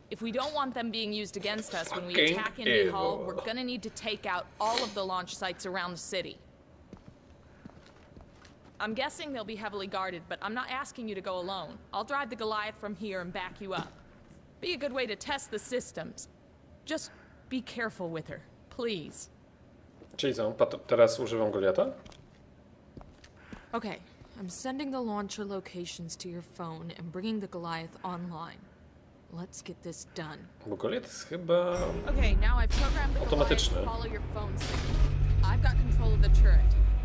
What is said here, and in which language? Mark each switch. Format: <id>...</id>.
<en>If we don't want them being used against us when we attack Indy Hall, we're gonna need to take out all of the launch sites around the city. I'm guessing they'll be heavily guarded, but I'm not asking you to go alone. I'll drive the Goliath from here and back you up. Be a good way to test the systems. Just be careful with her, please.</en> <pl>Jason, teraz używam Goliata?</pl> <en>Okay, I'm sending the launcher locations to your phone and bringing the Goliath online. Let's get this done.</en> <pl>Bo Goliat jest chyba...</pl> <en>Okay, now I've programmed the Goliath to follow your phone signal. I've got control of the turret.</en>